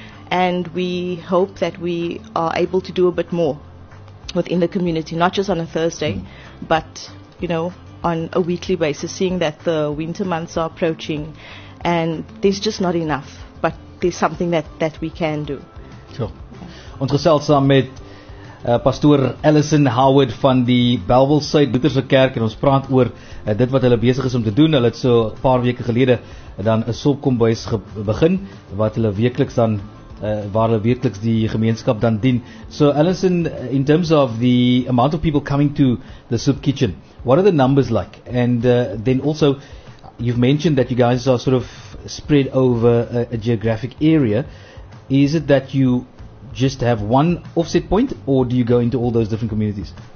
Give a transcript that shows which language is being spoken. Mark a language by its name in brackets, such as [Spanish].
[English] And we hope that we are able to do a bit more within the community, not just on a Thursday, but, you know, on a weekly basis, seeing that the winter months are approaching and there's just not enough, but there's something that we can do. [Afrikaans] So, ons gesels saam met pastoor Allison Howard van die Belville Suid Lutherse Kerk en ons praat oor dit wat hulle besig is om te doen. Hulle het so 'n paar weke gelede dan 'n sopkombuis begin wat hulle weekliks dan waar hulle weekliks die gemeenskap dan dien. [English] So Allison, in terms of the amount of people coming to the soup kitchen, what are the numbers like? And then also, you've mentioned that you guys are sort of spread over a geographic area. Is it that you just have one offset point, or do you go into all those different communities?